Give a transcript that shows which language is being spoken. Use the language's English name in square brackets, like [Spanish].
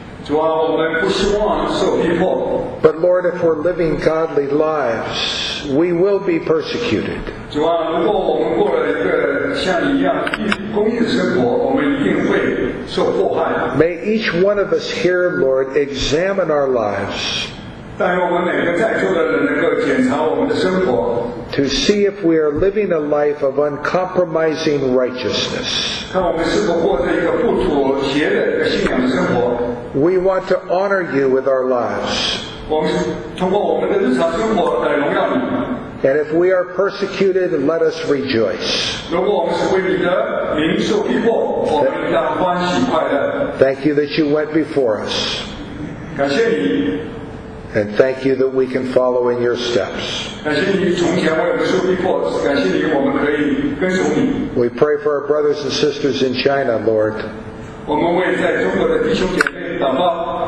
[Chinese] 主啊，我们不希望受逼迫。 [English] But Lord, if we're living godly lives, we will be persecuted. [Chinese] 主啊，如果我们过了一个像你一样公义的生活，我们一定会受迫害。 [English] May each one of us here, Lord, examine our lives. [Chinese] 但愿我们每个在座的人能够检查我们的生活。 [English] To see if we are living a life of uncompromising righteousness. [Chinese] 看我们是否过着一个不妥协的一个信仰的生活。 [English] We want to honor you with our lives. [Chinese] 我们通过我们的日常生活来荣耀你们。 [English] And if we are persecuted, let us rejoice. [Chinese] 如果我们是为你的名受逼迫，我们应当欢喜快乐。 [English] Thank you that you went before us. [Chinese] 感谢你。 [English] And thank you that we can follow in your steps. [Chinese] 感谢你从前为我们受逼迫，感谢你我们可以跟从你。 [English] We pray for our brothers and sisters in China, Lord. [Chinese] 我们为在中国的弟兄姐妹祷告。